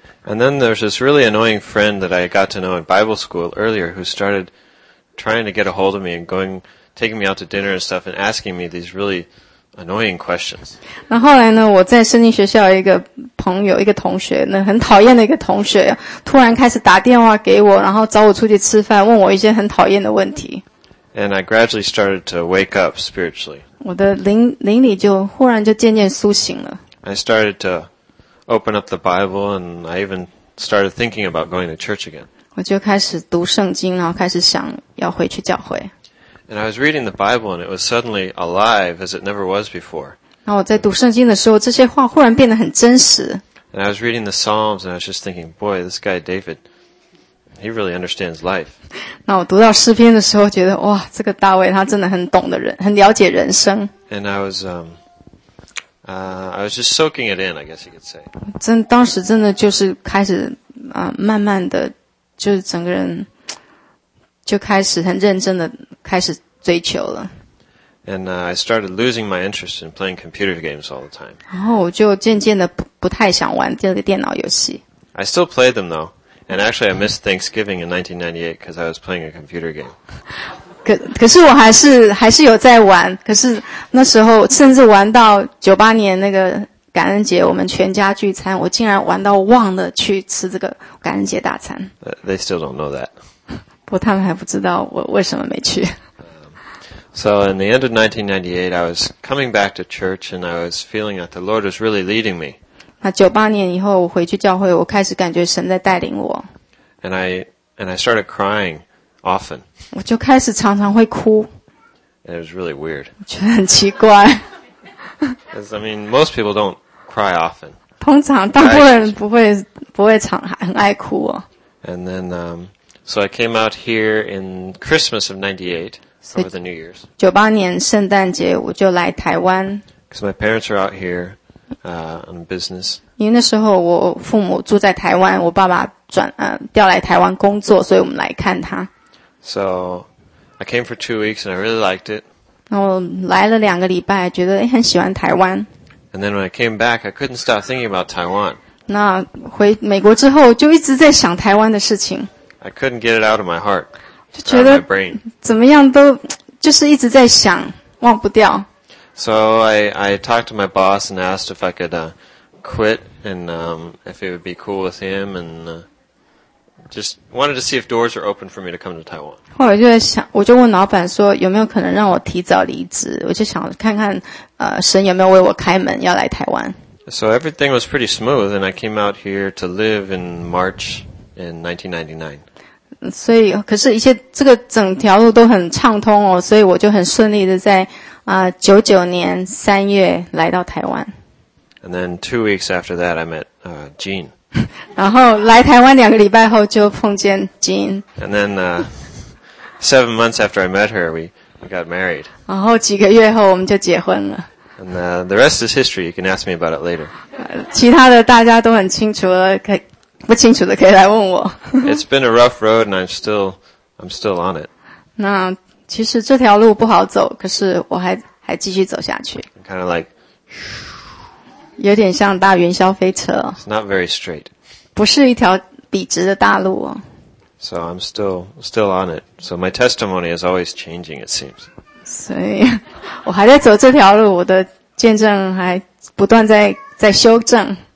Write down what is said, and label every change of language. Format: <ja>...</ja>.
<en>And then there's this really annoying friend that I got to know in Bible school earlier who started trying to get a hold of me and going, taking me out to dinner and stuff and asking me these really annoying questions.</en> <zh>那后来呢我在圣经学校一个朋友一个同学那很讨厌的一个同学突然开始打电话给我然后找我出去吃饭问我一些很讨厌的问题。</zh> <en>And I gradually started to wake up spiritually.</en> <zh>我的灵里就忽然就渐渐苏醒了。</zh> <en>I started to open up the Bible and I even started thinking about going to church again.</en> <zh>我就开始读圣经然后开始想要回去教会。</zh> <en>And I was reading the Bible and it was suddenly alive as it never was before.</en> <zh>然后我在读圣经的时候这些话忽然变得很真实。</zh> <en>And I was reading the Psalms and I was just thinking, boy, this guy David... He really understands life.</en> <zh>那我读到诗篇的时候觉得哇这个大卫他真的很懂的人很了解人生。</zh> <en>And I was just soaking it in, I guess you could say.</en> <zh>真当时真的就是开始慢慢的就是整个人就开始很认真的开始追求了。</zh> <en>And I started losing my interest in playing computer games all the time.</en> <zh>然后我就渐渐的 不太想玩这个电脑游戏。</zh> <en>I still play them though. And actually, I missed Thanksgiving in 1998 because I was playing a computer game.</en> <zh>可是我还是有在玩。可是那时候，甚至玩到98年那个感恩节，我们全家聚餐，我竟然玩到忘了去吃这个感恩节大餐。</zh> <en>They still don't know that.</en> <zh>不过他们还不知道我为什么没去。</zh> <en>So in the end of 1998, I was coming back to church, and I was feeling that the Lord was really leading me.</en> <zh>那98年以后我回去教会我开始感觉神在带领我。</zh> <en>And I started crying often.</en> <zh>我就开始常常会哭。</zh> <en>And it was really weird.</en> <zh>我觉得很奇怪。</zh> <en>I mean, most people don't cry often.</en> <zh>通常大部分人不会常很爱哭哦。</zh> <en>And then, so I came out here in Christmas of 98, over the New Year's.</en> <zh>98年圣诞节我就来台湾。</zh> <en>Because my parents are out here. On business.</en> <zh>因为那时候我父母住在台湾，我爸爸转调来台湾工作，所以我们来看他。</zh> <en>So, I came for 2 weeks and I really liked it.</en> <zh>然后来了两个礼拜，觉得很喜欢台湾。</zh> <en>And then when I came back, I couldn't stop thinking about Taiwan.</en> <zh>那回美国之后，就一直在想台湾的事情。</zh> <en>I couldn't get it out of my heart.</en> <zh>就觉得怎么样都就是一直在想，忘不掉。</zh> <en>So I talked to my boss and asked if I could quit and if it would be cool with him and just wanted to see if doors are open for me to come to Taiwan.</en> <zh>后来就在想，我就问老板说有没有可能让我提早离职？我就想看看神有没有为我开门要来台湾。</zh> <en>So everything was pretty smooth and I came out here to live in March in 1999.</en> <zh>所以可是一些这个整条路都很畅通哦，所以我就很顺利的在。 99年3月来到台湾。</zh> <en>And then 2 weeks after that, I met, Jean.</en> <zh>然后来台湾两个礼拜后就碰见 Jean.</zh> <en>And then, 7 months after I met her, we got married.</en> <zh>然后几个月后我们就结婚了。</zh> <en>And, the rest is history. You can ask me about it later.</en> <zh>其他的大家都很清楚了，不清楚的可以来问我。</zh> <en>It's been a rough road and I'm still on it.</en> <zh>那其实这条路不好走，可是我还继续走下去。</zh> <en>Kind of like,</en> <zh>有点像大云霄飞车。</zh> <en>It's not very straight.</en> <zh>不是一条笔直的大路哦。</zh> <en>So I'm still on it. So my testimony is always changing, it seems.</en> <zh>所以我还在走这条路，我的见证还不断在修正。</zh>